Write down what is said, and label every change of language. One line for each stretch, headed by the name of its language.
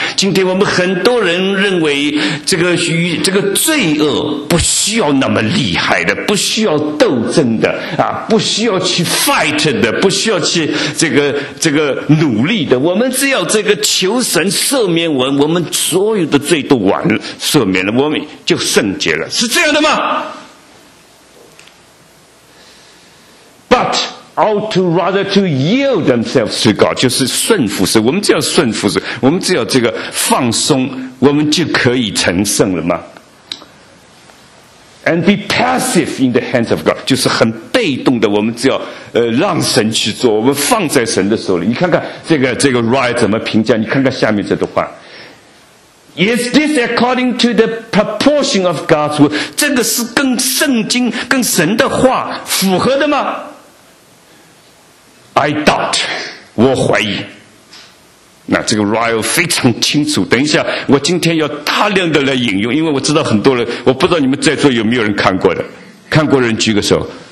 Chinese: 今天我们很多人认为这个罪恶不需要那么厉害的，不需要斗争的啊，不需要去 fight 的，不需要去这个努力的。我们只要这个求神赦免我们，我们所有的罪都完了，赦免了，我们就圣洁了，是这样的吗？
English: But ought to rather to yield themselves to God，
Chinese: 就是顺服神。我们只要顺服神，我们只要这个放松，我们就可以成圣了吗？
English: And be passive in the hands of God.
Chinese: 就是很被动的，我们只要让神去做，我们放在神的手里。你看看这个 Wright 怎么评价，你看看下面这段话。
English: Is this according to the proportion of God's word?
Chinese: 这个是跟圣经跟神的话符合的吗？
English: I doubt.
Chinese: 我怀疑。那这个 Ryle 非常清楚，等一下我今天要大量的来引用，因为我知道很多人，我不知道你们在座有没有人看过的，看过人举个手。